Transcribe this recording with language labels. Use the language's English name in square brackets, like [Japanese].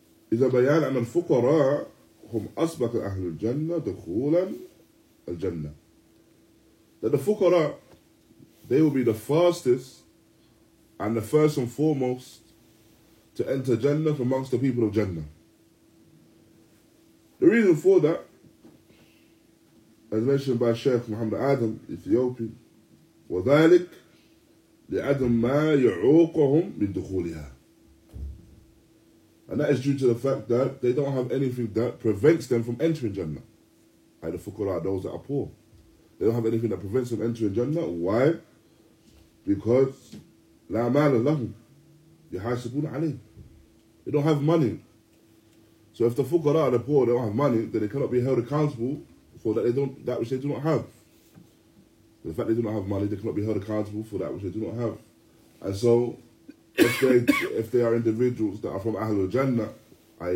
[Arabic] إِذَا بَيَانَ عَنَ الْفُقَرَىٰ هُمْ أَصْبَقَ أَهْلُ الْجَنَّةِ دُخُولًا الْجَنَّةِ [English] That the fuqara, they will be the fastest and the first and foremost to enter Jannah from amongst the people of Jannah. The reason for that, as mentioned by Shaykh Muhammad Adam, Ethiopian, وَذَلِكَ [Arabic] لعدم ما يعوقهم من دخولها. [English] And that is due to the fact that they don't have anything that prevents them from entering Jannah. Like the fuqara, those that are poor. They don't have anything that prevents them entering Jannah. Why? Because [Arabic] لا مال لهم يحاسبون عليه. [English] They don't have money. So if the fuqara are the poor, they don't have money, then they cannot be held accountable for that they don't, that which they do not have. The fact they do not have money, they cannot be held accountable for that which they do not have. And so, if they are individuals that are from Ahlul Jannah, i.e.